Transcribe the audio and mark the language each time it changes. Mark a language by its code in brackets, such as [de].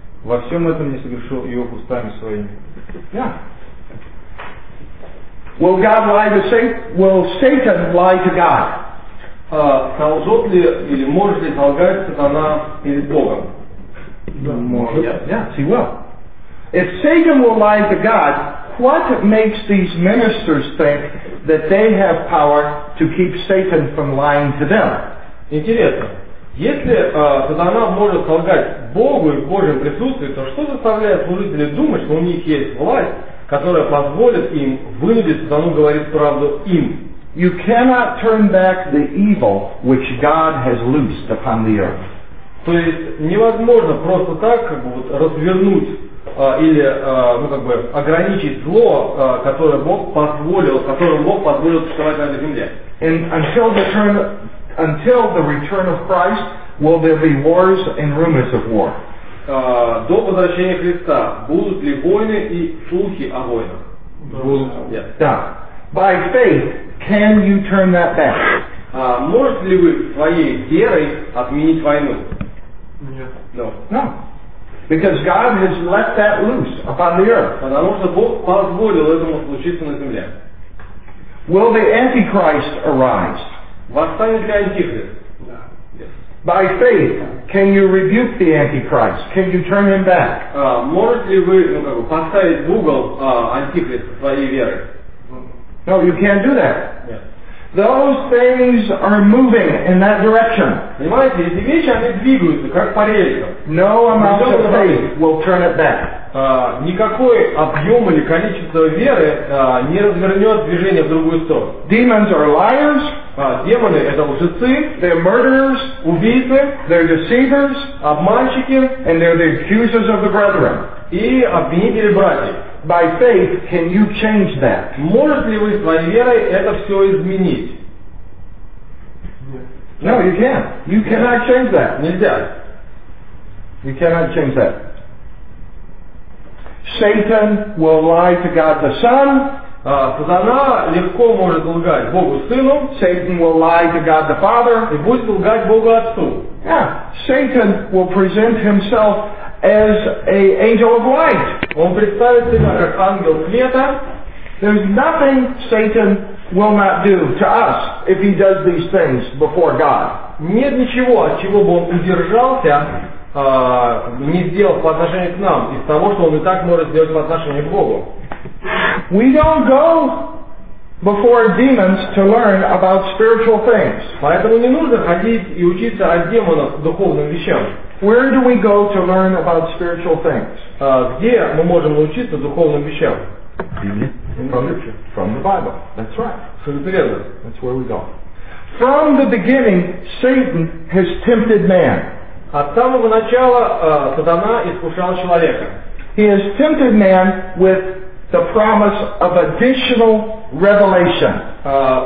[ru] Во всем этом не согрешил Иов устами своими. [en] Yeah. Will God lie to Satan? Will Satan lie to God? [ru] Солжет ли или может ли солгать сатана перед Богом? Может. [en] Yes, he will. If Satan will lie to God, what makes these ministers think that they have power to keep Satan from lying to them? [ru] Интересно. Если сатана может солгать Богу и в Божьем присутствии, то что заставляет служителей думать, что у них есть власть, которая позволит им вынудить сатану говорить правду им? [en] You cannot turn back the evil which God has loosed upon the earth. [ru] То есть невозможно просто так как бы вот развернуть или ну как бы ограничить зло, которое Бог позволил существовать на этой земле. [en] And until the return of Christ, will there be wars and rumors of war? [ru] До возвращения Христа будут ли войны и слухи о войнах? Будут. Да. [en] By faith, can you turn that back? [ru] Может ли вы своей верой отменить войну? Нет. [en] No. Because God has let that loose upon the earth. [ru] Потому что Бог позволил этому случиться на земле. [en] Will the Antichrist arise? [ru] Восстанет ли Антихрист? Да. [en] By faith, can you rebuke the Antichrist? Can you turn him back? [ru] Можете ли вы, ну, как бы, поставить в угол Антихриста своей верой? [en] No, you can't do that. Yes. Those things are moving in that direction. [ru] Понимаете, эти вещи, они двигаются, как по рельсам. [en] No amount of faith will turn it back. [ru] Никакой объем или количество веры не развернет движение в другую сторону. [en] Demons are liars. [ru] Демоны — это лжецы. [en] They're murderers. [ru] Убийцы. [en] They're deceivers. [ru] Обманщики. [en] And they're the accusers of the brethren. [ru] И обвинители братьев. [en] By faith, can you change that? [ru] Может ли вы своей верой это все изменить? [en] No, you can't. You cannot change that. [ru] Нельзя. [en] You cannot change that. Satan will lie to God the Son. [ru] Сатана легко может лгать Богу Сыну. [en] Satan will lie to God the Father. [ru] И будет лгать Богу Отцу. [en] Yeah. Satan will present himself as an angel of light. [ru] Он представит себя как ангел света. [en] There's nothing Satan will not do to us if he does these things before God. [ru] Нет ничего, от чего бы он удержался, не сделал по отношению к нам, из того, что он и так может сделать по отношению к Богу. [en] We don't go before demons to learn about spiritual things. [ru] Поэтому не нужно ходить и учиться от демонов духовным вещам. [en] Where do we go to learn about spiritual things? [ru] Где мы можем научиться духовным вещам? [en] From the Bible. That's right. [ru] Соответственно, [en] that's where we go. From the beginning, Satan has tempted man. [ru] От самого начала сатана искушал человека. [en] He has tempted man with the promise of additional revelation.